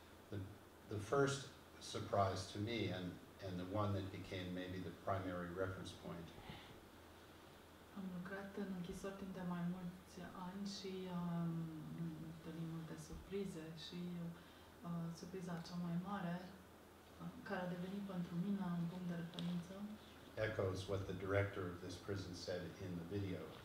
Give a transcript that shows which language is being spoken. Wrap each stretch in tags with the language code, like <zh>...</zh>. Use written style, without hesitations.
<en>The first surprise to me, and the one that became maybe the primary reference point.</en> <ro>Am lucrat în închisori timp de mai mulți ani și întâlnit multe surprize și surpriza cea mai mare care a devenit pentru mine un punct de referință.</ro> <en>Echoes what the director of this prison said in the video.</en>